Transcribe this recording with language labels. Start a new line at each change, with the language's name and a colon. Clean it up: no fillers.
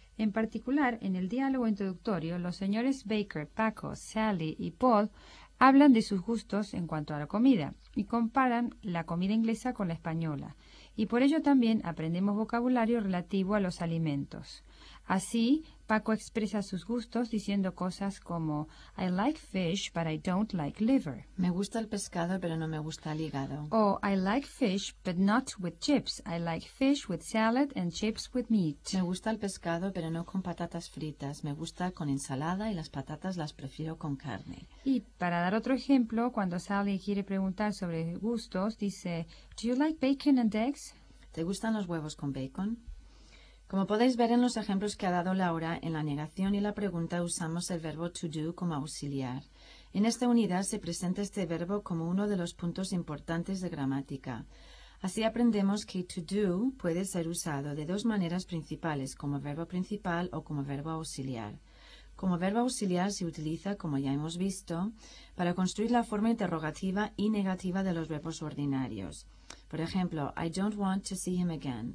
Spanish: En particular, en el diálogo introductorio, los señores Baker, Paco, Sally y Paul hablan de sus gustos en cuanto a la comida y comparan la comida inglesa con la española. Y por ello también aprendemos vocabulario relativo a los alimentos. Así, Paco expresa sus gustos diciendo cosas como
English: I like fish, but I don't like liver.
Spanish: Me gusta el pescado, pero no me gusta el hígado.
English: O I like fish, but not with chips. I like fish with salad and chips with meat.
Spanish: Me gusta el pescado, pero no con patatas fritas. Me gusta con ensalada y las patatas las prefiero con carne. Y para dar otro ejemplo, cuando Sally quiere preguntar sobre gustos, dice
English: Do you like bacon and eggs?
Spanish: ¿Te gustan los huevos con bacon? Como podéis ver en los ejemplos que ha dado Laura, en la negación y la pregunta usamos el verbo to do como auxiliar. En esta unidad se presenta este verbo como uno de los puntos importantes de gramática. Así aprendemos que to do puede ser usado de dos maneras principales, como verbo principal o como verbo auxiliar. Como verbo auxiliar se utiliza, como ya hemos visto, para construir la forma interrogativa y negativa de los verbos ordinarios. Por ejemplo,
English: I don't want to see him again.